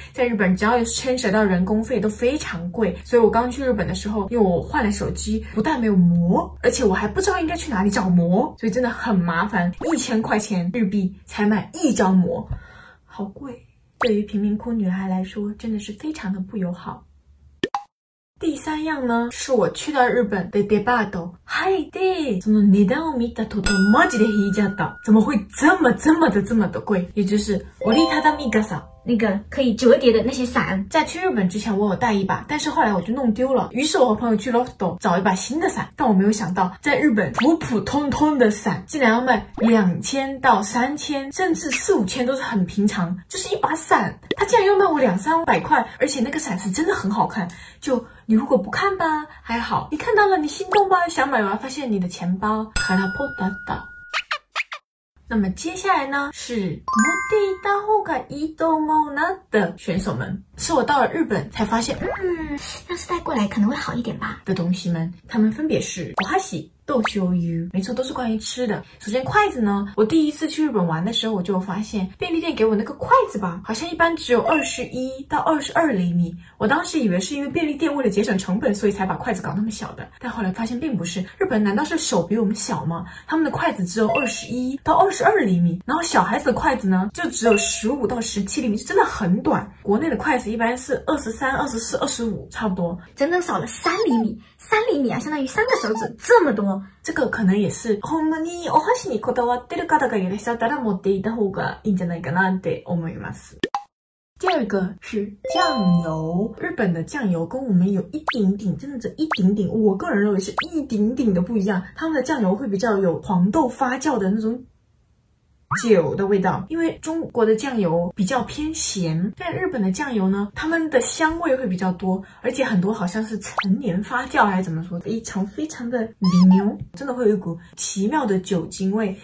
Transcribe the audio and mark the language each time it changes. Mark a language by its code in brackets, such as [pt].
[zh] 在日本只要牵扯到人工费都非常贵，所以我刚去日本的时候因为我换了手机不但没有膜，而且我还不知道应该去哪里找膜，所以真的很麻烦。 1000块钱日币才买一张膜，好贵，对于贫民窟女孩来说真的是非常的不友好。第三样呢是我去到日本的デパート。 [ja] はい、で、その値段を見た途端、マジで引いちゃった。 [zh] 怎么会这么的贵。也就是、折りたたみ傘。那个可以折叠的那些伞。在去日本之前我有带一把，但是后来我就弄丢了。于是我和朋友去 Lotto 找一把新的伞，但我没有想到在日本普普通通的伞竟然要卖2000-3000甚至4000-5000都是很平常。就是一把伞它竟然要卖我200-300块，而且那个伞是真的很好看。就你如果不看吧还好，你看到了你心动吧想买吧，发现你的钱包卡拉破达达。那么接下来呢是 [ja] 持っていた方がいいと思うなって [zh] 选手们。是我到了日本才发现，要是带过来可能会好一点吧。的东西们，它们分别是お箸、豆醤油，没错，都是关于吃的。首先筷子呢，我第一次去日本玩的时候，我就发现便利店给我那个筷子吧，好像一般只有21到22厘米。我当时以为是因为便利店为了节省成本，所以才把筷子搞那么小的，但后来发现并不是。日本难道是手比我们小吗？他们的筷子只有21到22厘米，然后小孩子的筷子呢，就只有15到17厘米，就真的很短。国内的筷子一般是23、24、25，差不多，整整少了3厘米。三厘米啊，相当于三个手指这么多。这个可能也是 [ja] 本当にお箸にこだわってる方がいらっしゃったら持っていた方がいいんじゃないかなって思います。 [zh] 第二个是酱油，日本的酱油跟我们有一顶顶，真的只一顶顶，我个人认为是一顶顶的不一样。他们的酱油会比较有黄豆发酵的那种酒的味道，因为中国的酱油比较偏咸，但日本的酱油呢，他们的香味会比较多，而且很多好像是陈年发酵还是怎么说，非常非常的牛，真的会有一股奇妙的酒精味。